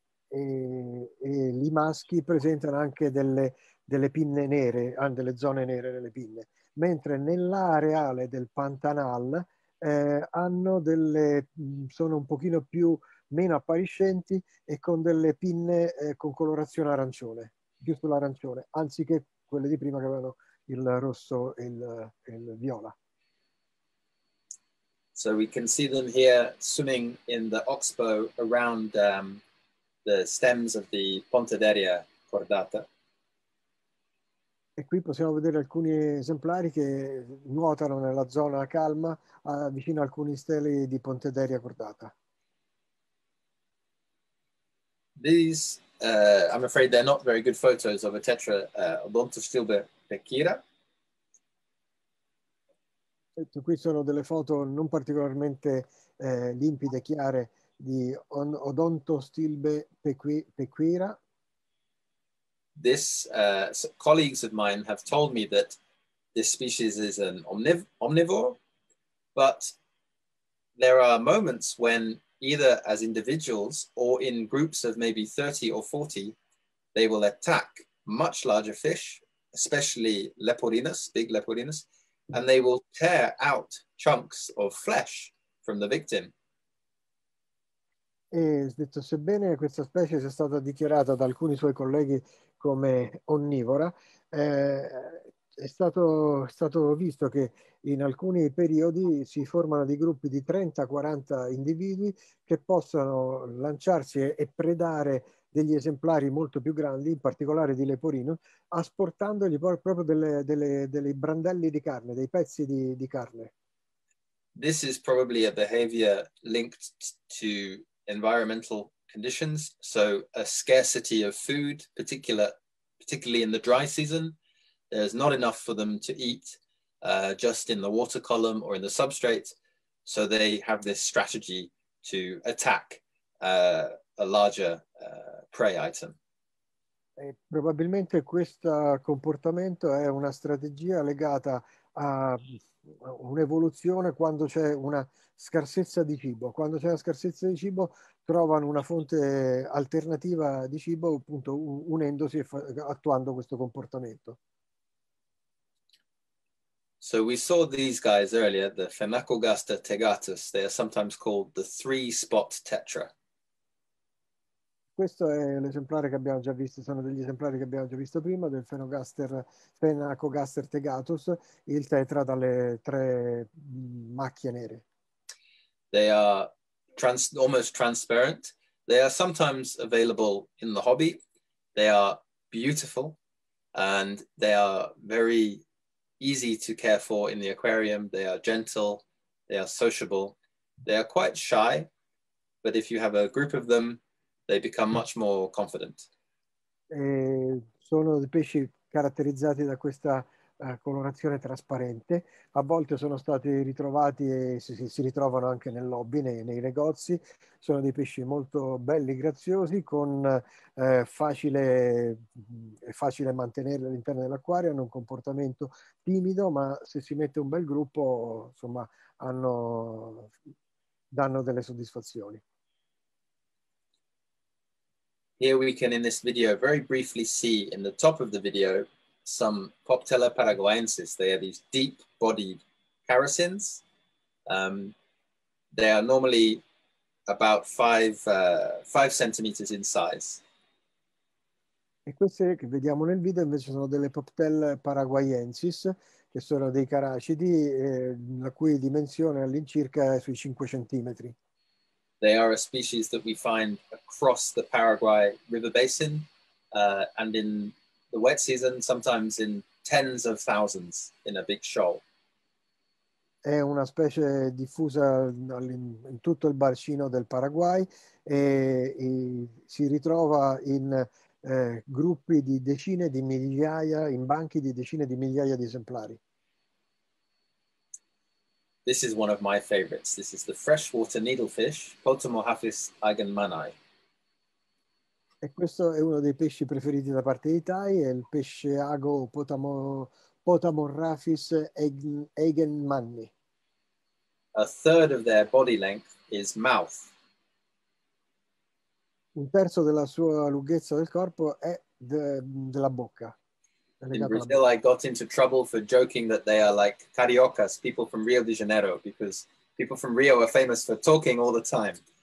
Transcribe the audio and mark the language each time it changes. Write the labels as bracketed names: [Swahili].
[Italian] i maschi presentano anche delle pinne nere, delle zone nere nelle pinne, mentre nell'areale del Pantanal sono un pochino più meno appariscenti e con delle pinne con colorazione arancione, più sull'arancione, anziché quelle di prima che avevano il rosso e il viola. [English] So we can see them here swimming in the oxbow around the stems of the Pontederia cordata. [Italian] E qui possiamo vedere alcuni esemplari che nuotano nella zona calma, vicino a alcuni steli di Pontederia cordata. [English] These, I'm afraid they're not very good photos of a tetra, odontostilbe vecchira. [Italian] Qui sono delle foto non particolarmente limpide, chiare, di Odontostilbe pequira. [English] This so colleagues of mine have told me that this species is an omnivore, but there are moments when, either as individuals or in groups of maybe 30 or 40, they will attack much larger fish, especially leporinus, big leporinus, and they will tear out chunks of flesh from the victim. [Italian] E detto, sebbene questa specie sia stata dichiarata da alcuni suoi colleghi come onnivora, è stato visto che in alcuni periodi si formano dei gruppi di 30-40 individui che possono lanciarsi e predare degli esemplari molto più grandi, in particolare di leporino, asportandogli proprio dei brandelli di carne, dei pezzi di carne. [English] This is probably a behavior linked to environmental conditions, so a scarcity of food, particularly in the dry season. There's not enough for them to eat just in the water column or in the substrate, so they have this strategy to attack a larger prey item. [Italian] Probabilmente questo comportamento è una strategia legata a un'evoluzione quando c'è una scarsezza di cibo. Quando c'è una scarsezza di cibo, trovano una fonte alternativa di cibo, appunto, unendosi e attuando questo comportamento. [English] So we saw these guys earlier, the Phenacogaster tegatus. They are sometimes called the three-spot tetra. [Italian] Questo è l'esemplare che abbiamo già visto, sono degli esemplari che abbiamo già visto prima, del Phenacogaster tegatus, il tetra dalle tre macchie nere. [English] They are almost transparent. They are sometimes available in the hobby. They are beautiful and they are very easy to care for in the aquarium. They are gentle, they are sociable, they are quite shy, but if you have a group of them, they become much more confident. [Italian] Sono dei pesci caratterizzati da questa colorazione trasparente. A volte sono stati ritrovati e si ritrovano anche nel lobby, nei negozi. Sono dei pesci molto belli, graziosi, con facile mantenere all'interno dell'acquario. Hanno un comportamento timido, ma se si mette un bel gruppo, insomma, danno delle soddisfazioni. [English] Here we can, in this video, very briefly see in the top of the video some Poptella paraguayensis. They are these deep-bodied carassins. They are normally about five centimeters in size. [Italian] E queste che vediamo nel video invece sono delle Poptella paraguayensis, che sono dei caracidi la cui dimensione all'incirca è sui 5 centimetri. [English] They are a species that we find across the Paraguay River Basin and in the wet season, sometimes in tens of thousands in a big shoal. [Italian] È una specie diffusa in tutto il bacino del Paraguay e si ritrova in gruppi di decine di migliaia, in banchi di decine di migliaia di esemplari. [English] This is one of my favorites. This is the freshwater needlefish, Potamohaphis agenmanai. [Italian] E questo è uno dei pesci preferiti da parte di Tai, è il pesce ago Potamohaphis agenmanai. [English] A third of their body length is mouth. [Italian] Un terzo della sua lunghezza del corpo è della bocca. [English] In Brazil, I got into trouble for joking that they are like cariocas, people from Rio de Janeiro, because people from Rio are famous for talking all the time.